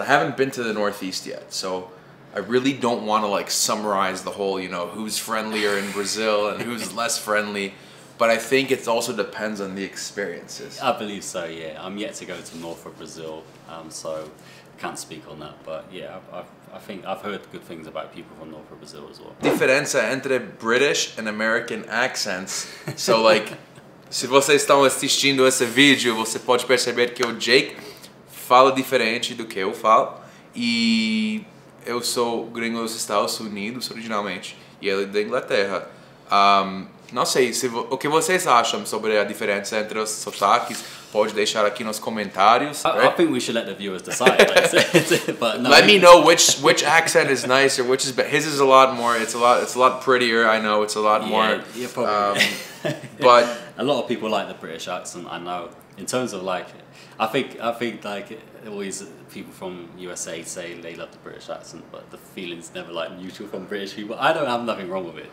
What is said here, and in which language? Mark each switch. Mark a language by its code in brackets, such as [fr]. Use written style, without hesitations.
[en] But I haven't been to the Northeast yet, so I really don't want to like summarize the whole, you know, who's friendlier in Brazil and who's less friendly. But I think it also depends on the experiences. I believe so. Yeah, I'm yet to go to north of Brazil, so I can't speak on that. But yeah, I think I've heard good things about people from north of Brazil as well. [pt] Diferença entre [en] British and American accents. So like, [pt] se vocês estão assistindo esse vídeo, você pode perceber que o Jake fala diferente do que eu falo. E eu sou gringo dos Estados Unidos originalmente, e ele da Inglaterra. Não sei, o que vocês acham sobre a diferença entre os sotaques? Pode deixar aqui nos comentários. [en] Right? I think we should let the viewers decide. But no. Let me know which accent is nicer, which is his is a lot more, it's a lot prettier, I know, it's a lot more. Yeah, probably. But a lot of people like the British accent, I know. In terms of like, I think like always people from USA say they love the British accent, but the feeling's never like mutual from British people. I don't have nothing wrong with it.